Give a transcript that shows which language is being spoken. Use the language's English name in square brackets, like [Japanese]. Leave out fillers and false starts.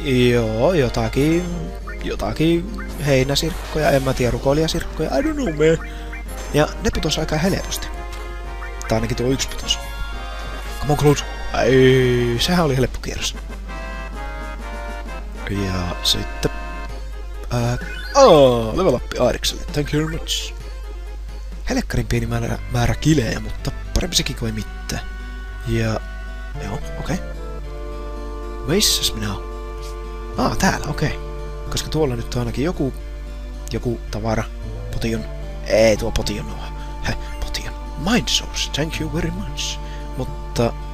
[Finnish] Joo, jotakin... Jotakin heinäsirkkoja, en mä tiedä, rukoilijasirkkoja, [English] I don't know, man. [Finnish] Ja ne putos aika helposti. Tai ainakin tuo yksi putos. [English] Come on, Claude. [Finnish] Ai, sehän oli helppo kierros. Ja sitten... [English] level up Aerikselle, thank you very much. [Finnish] Helekkarin pieni määrä kilejä, mutta parempi sekin kuin ei mitään. Ja... Joo, okei. Okay. Missäs minä oon? Ah, täällä, okei. Okay. Koska tuolla nyt on ainakin joku tavara, potion, ei tuo potion oo, potion, mind source, [English] thank you very much, [Finnish] mutta,